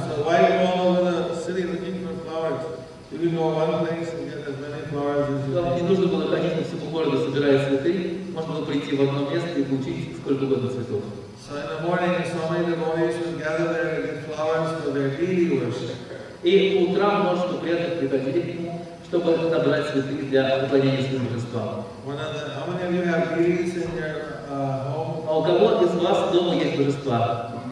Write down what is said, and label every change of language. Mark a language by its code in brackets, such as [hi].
[en] So why are you all over the city looking for flowers? You can go one place and get as many flowers as you need. [ru] Не нужно было ходить по всему городу, собирая цветы. Можно было прийти в одно место и получить сколько угодно цветов. [en] So in the morning, so many devotees would gather there to get flowers for their deity worship. [ru] И утром множество преданных приходили к нему, чтобы набрать цветы для поклонения своему божеству. [en] How many of you have deities in your home? [ru] А у кого из вас дома есть божества?